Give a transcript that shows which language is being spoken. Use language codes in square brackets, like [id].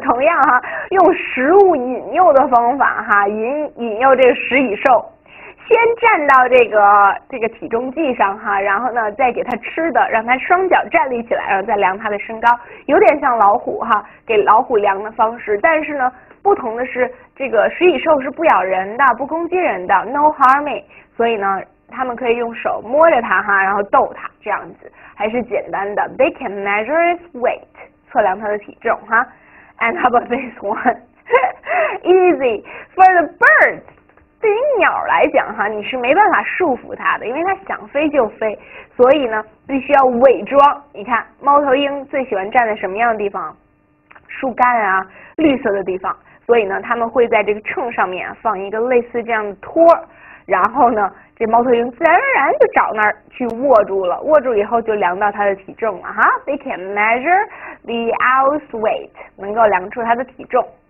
[zh] 同样哈，用食物引诱的方法哈，引诱这个食蚁兽，先站到这个体重计上哈，然后呢再给它吃的，让它双脚站立起来，然后再量它的身高，有点像老虎哈，给老虎量的方式。但是呢，不同的是，这个食蚁兽是不咬人的，不攻击人的， [en] no harming， [zh] 所以呢。他们可以用手摸着它哈，然后逗它，这样子还是简单的。 [en] They can measure its weight， [zh] 测量它的体重哈。 [en] And how about this one? Easy for the birds。 [zh] 对于鸟来讲哈，你是没办法束缚它的，因为它想飞就飞，所以呢，必须要伪装。你看，猫头鹰最喜欢站在什么样的地方？树干啊，绿色的地方。所以呢，他们会在这个秤上面放一个类似这样的托儿。然后呢，这猫头鹰自然而然就找那儿去握住了，握住以后就量到它的体重了哈。 [en] They can measure the ounce weight， [zh] 能够量出它的体重。